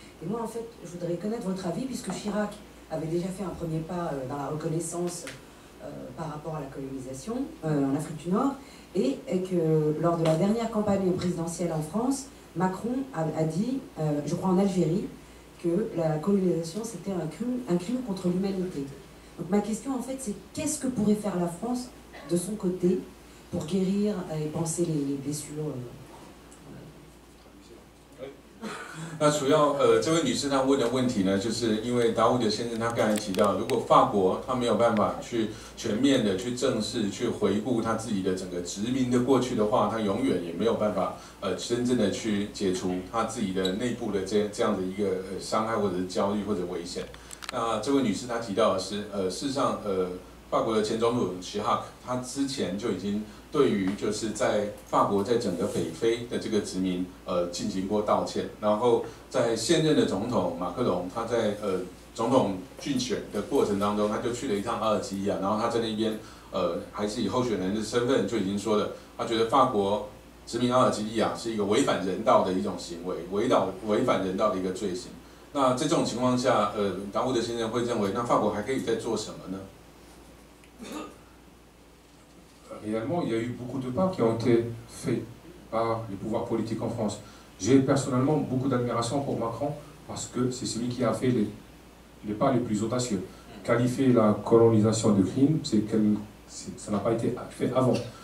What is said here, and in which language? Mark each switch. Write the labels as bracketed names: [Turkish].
[French] Et moi, en fait, je voudrais connaître votre avis puisque Chirac avait déjà fait un premier pas dans la reconnaissance par rapport à la colonisation en Afrique du Nord et que lors de la dernière campagne présidentielle en France, Macron a dit, je crois en Algérie, que la colonisation c'était un crime contre l'humanité. Donc ma question en fait c'est qu'est-ce que pourrait faire la France de son côté pour guérir et panser les blessures [Chinese] 那主要这位女士她问的问题呢，就是因为达乌德先生他刚才提到，如果法国他没有办法去全面的去正视、去回顾他自己的整个殖民的过去的话，他永远也没有办法真正的去解除他自己的内部的这样的一个伤害或者是焦虑或者危险。那这位女士她提到的是，事实上，法国的前总统齐哈克，他之前就已经对于就是在法国在整个北非的这个殖民，进行过道歉。然后在现任的总统马克龙，他在总统竞选的过程当中，他就去了一趟阿尔及利亚，然后他在那边，还是以候选人的身份就已经说了，他觉得法国殖民阿尔及利亚是一个违反人道的一种行为，违反人道的一个罪行。那在这种情况下，达乌德先生会认为，那法国还可以再做什么呢？ [French] Réellement, il y a eu beaucoup de pas qui ont été faits par les pouvoirs politiques en France. J'ai personnellement beaucoup d'admiration pour Macron parce que c'est celui qui a fait les pas les plus audacieux. Qualifier la colonisation de crime, ça n'a pas été fait avant.